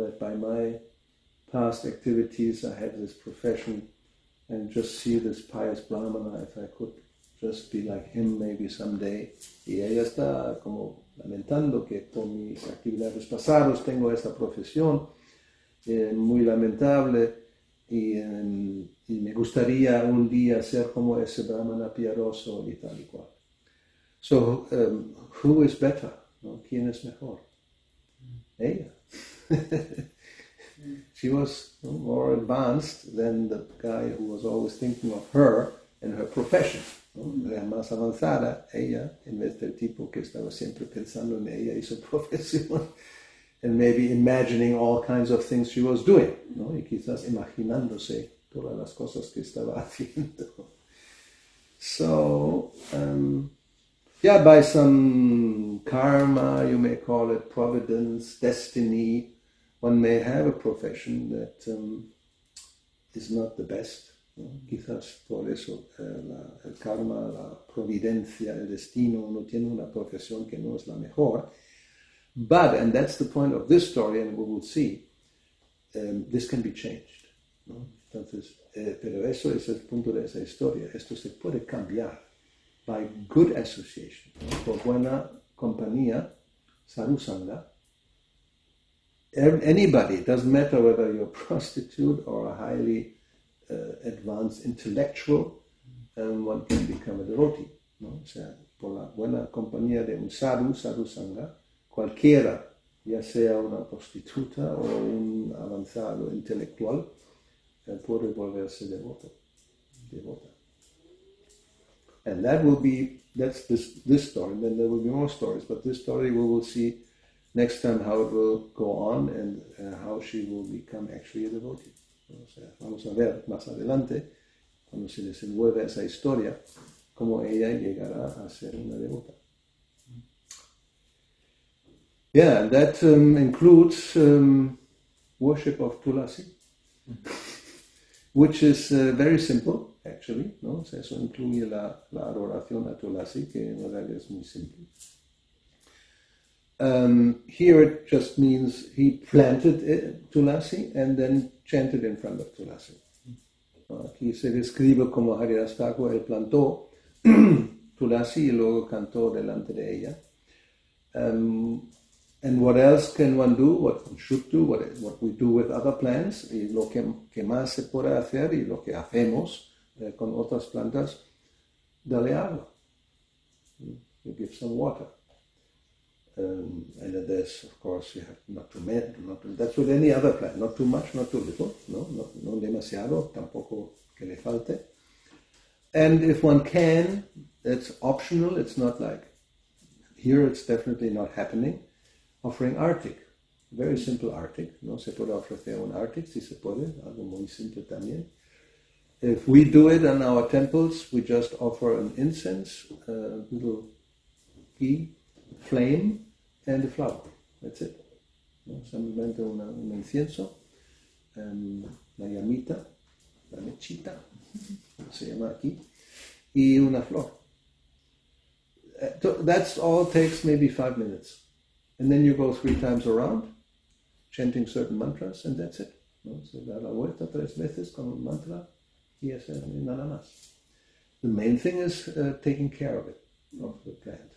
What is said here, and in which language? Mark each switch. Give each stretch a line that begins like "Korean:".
English: That by my past activities I had this profession and just see this pious brahmana, if I could just be like him maybe someday.
Spanish: Y ella está como lamentando que por mis actividades pasadas tengo esta profesión, muy lamentable. Y me gustaría un día ser como ese brahmana piadoso y tal y cual.
English: So, who is better?
Spanish: ¿No? ¿Quién es mejor? Ella.
English: She was more advanced than the guy who was always thinking of her and her profession.
Spanish: ¿No? Era más avanzada ella, en vez del tipo que estaba siempre pensando en ella y su profesión.
English: And maybe imagining all kinds of things she was doing,
Spanish: ¿no? Y quizás imaginándose todas las cosas que estaba haciendo.
English: So, by some karma, you may call it providence, destiny, one may have a profession that is not the best,
Spanish: ¿no? Quizás por eso el karma, la providencia, el destino, uno tiene una profesión que no es la mejor.
English: But, and that's the point of this story, and we will see, this can be changed.
Spanish: ¿No? Entonces, pero eso es el punto de esa historia. Esto se puede cambiar
English: by good association.
Spanish: ¿No? Por buena compañía, sarusanga.
English: Anybody, it doesn't matter whether you're a prostitute or a highly advance intellectual, one can become a devotee.
Spanish: ¿No? O sea, por la buena compañía de un sadhu, sadhu sangha, cualquiera, ya sea una prostituta o un avanzado intelectual, puede volverse devoto, devota.
English: And that will be, that's this story, and then there will be more stories, but this story we will see next time how it will go on and how she will become actually a devotee.
Spanish: O sea, vamos a ver más adelante, cuando se desenvuelve esa historia, cómo ella llegará a ser una devota.
English: Yeah, that includes worship of Tulasi, which is very simple, actually.
Spanish: No, o sea, eso incluye la adoración a Tulasi, que en realidad es muy simple.
English: Here it just means he planted it, Tulasi, and then chanted in front of Tulasi.
Spanish: Aquí se describe como Haridas Thakur, él plantó Tulasi y luego cantó delante de ella.
English: And what else can one do, what one should do, what we do with other plants,
Spanish: y lo que más se puede hacer y lo que hacemos con otras plantas, dale agua.
English: You give some water. And there's, of course, you have not too much, that's with any other plant, not too much, not too little,
Spanish: no demasiado, tampoco que le falte.
English: And if one can, it's optional, it's not like, here it's definitely not happening, offering arctic, very simple arctic,
Spanish: no se puede ofrecer un arctic, si se puede, algo muy simple también.
English: If we do it in our temples, we just offer an incense, a little ghee, flame, and a flower, that's it.
Spanish: ¿No? Simplemente un incienso, la llamita, la mechita, se llama aquí, y una flor.
English: That's all takes maybe 5 minutes. And then you go 3 times around, chanting certain mantras, and that's it.
Spanish: ¿No? Se da la vuelta 3 veces con un mantra, y es nada más.
English: The main thing is taking care of it, of the plant.